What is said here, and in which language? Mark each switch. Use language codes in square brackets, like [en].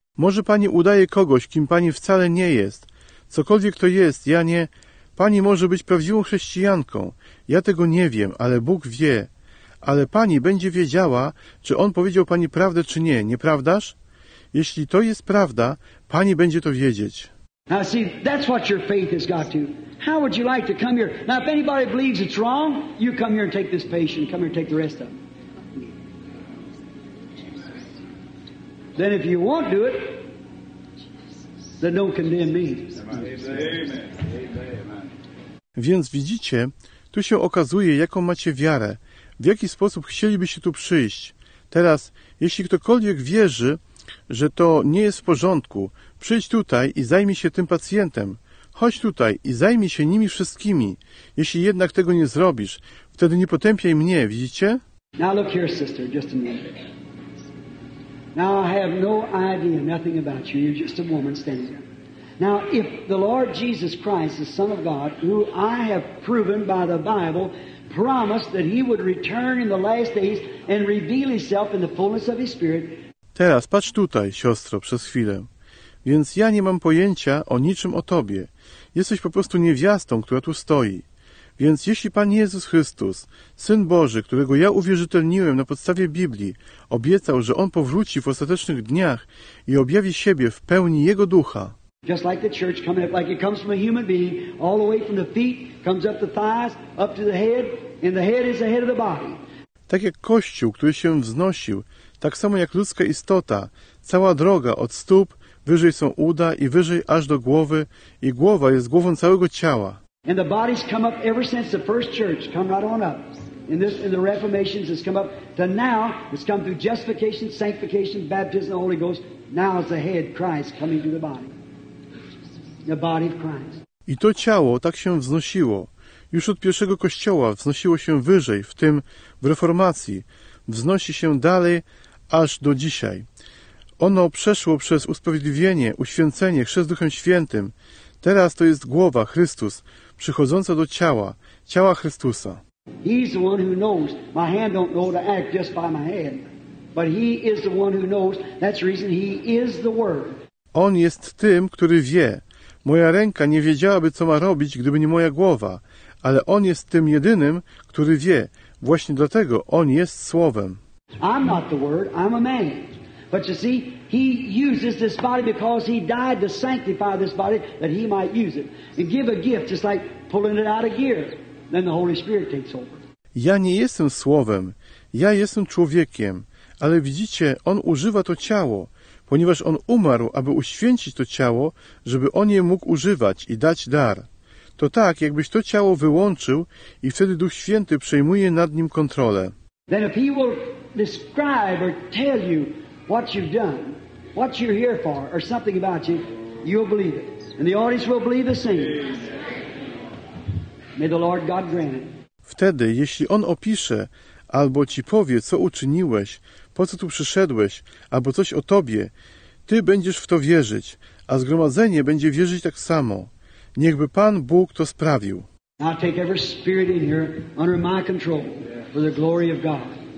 [pl] Może pani udaje kogoś, kim pani wcale nie jest. Cokolwiek to jest, ja nie... Pani może być prawdziwą chrześcijanką. Ja tego nie wiem, ale Bóg wie. Ale pani będzie wiedziała, czy on powiedział pani prawdę, czy nie. Nieprawdaż? Jeśli to jest prawda, pani będzie to wiedzieć. [en] Now see, that's what your faith has got to. How would you like to come here? Now if anybody believes it's wrong, you come here and take this patient. Come here and take the rest of them. Then if you won't do it, that don't condemn me. [pl] Więc widzicie, tu się okazuje, jaką macie wiarę, w jaki sposób chcielibyście tu przyjść. Teraz, jeśli ktokolwiek wierzy, że to nie jest w porządku, przyjdź tutaj i zajmij się tym pacjentem. Chodź tutaj i zajmij się nimi wszystkimi. Jeśli jednak tego nie zrobisz, wtedy nie potępiaj mnie, widzicie? [en] Now look here, sister, just a minute. Now I have no idea, nothing about you. You're just a woman standing here. Now, if the Lord Jesus Christ, the Son of God, who I have proven by the Bible, promised that He would return in the last days and reveal Himself in the fullness of His Spirit. [pl] Teraz patrz tutaj, siostro, przez chwilę. Więc ja nie mam pojęcia o niczym o tobie. Jesteś po prostu niewiastą, która tu stoi. Więc jeśli Pan Jezus Chrystus, Syn Boży, którego ja uwierzytelniłem na podstawie Biblii, obiecał, że On powróci w ostatecznych dniach i objawi siebie w pełni Jego Ducha. [en] Just like the church comes up, like it comes from a human being, all the way from the feet, comes up the thighs, up to the head, and the head is the head of the body. [pl] Tak jak Kościół, który się wznosił, tak samo jak ludzka istota, cała droga od stóp, wyżej są uda i wyżej aż do głowy, i głowa jest głową całego ciała. [en] And the bodies come up ever since the first church come right on up. In the reformations has come up to now, it's come through justification, sanctification, baptism, the Holy Ghost. Now is the head, Christ, coming to the body. The body of Christ. [pl] I to ciało tak się wznosiło. Już od pierwszego kościoła wznosiło się wyżej, w tym w reformacji. Wznosi się dalej aż do dzisiaj. Ono przeszło przez usprawiedliwienie, uświęcenie, chrzest Duchem Świętym. Teraz to jest głowa, Chrystus, przychodząca do ciała, ciała Chrystusa. [en] He's the one who knows. My hand don't know to act just by my head. But He is the one who knows. That's the reason He is the Word. [pl] On jest tym, który wie. Moja ręka nie wiedziałaby, co ma robić, gdyby nie moja głowa. Ale On jest tym jedynym, który wie. Właśnie dlatego On jest Słowem. [en] I'm not the Word, I'm a man. But you see, He uses this body because He died to sanctify this body that He might use it. And give a gift, just like pulling it out of gear. Then the Holy Spirit takes over. [pl] Ja nie jestem Słowem. Ja jestem człowiekiem. Ale widzicie, On używa to ciało. Ponieważ On umarł, aby uświęcić to ciało, żeby On je mógł używać i dać dar. To tak, jakbyś to ciało wyłączył i wtedy Duch Święty przejmuje nad nim kontrolę. [en] Then if He will describe or tell you what you've done, what you're here for, or something about you, you'll believe it. And the audience will believe the same. May the Lord God grant it. [pl] Wtedy, jeśli On opisze albo ci powie, co uczyniłeś, po co tu przyszedłeś, albo coś o tobie, ty będziesz w to wierzyć, a zgromadzenie będzie wierzyć tak samo. Niechby Pan Bóg to sprawił. [en] I take every spirit in here under my control for the glory of God.